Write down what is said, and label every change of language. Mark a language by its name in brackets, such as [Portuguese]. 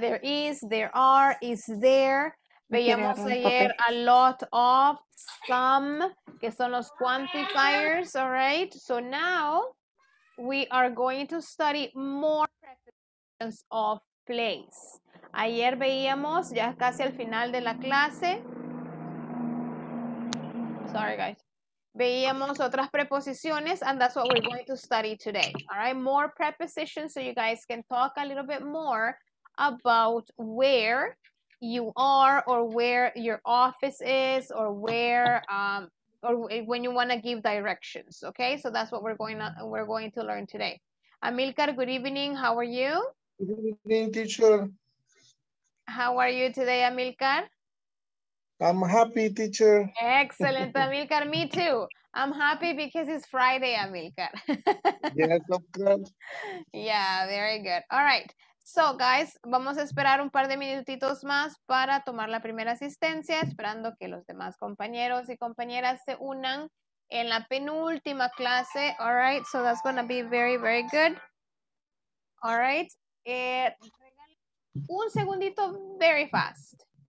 [English] There is, there are, is there. [Spanish] Veíamos ayer [English] a lot of, some, [Spanish] que son los [English] quantifiers, all right? So now, we are going to study more prepositions of place. [Spanish] Ayer veíamos, ya casi al final de la clase. [English] Sorry, guys. [Spanish] Veíamos otras preposiciones, [English] and that's what we're going to study today, all right? More prepositions, so you guys can talk a little bit more about where you are, or where your office is, or where, or when you want to give directions. Okay, so that's what we're going to learn today. Amilcar, good evening. How are you? Good evening, teacher. How are you today, Amilcar? I'm happy, teacher. Excellent, Amilcar. Me too. I'm happy because it's Friday, Amilcar. Yes, of course. Yeah, very good. All right. So, guys, [Spanish] vamos a esperar un par de minutitos más para tomar la primera asistencia, esperando que los demás compañeros y compañeras se unan en la penúltima clase. [English] All right, so that's going to be very, very good. All right. [Spanish] Un segundito, [English] very fast.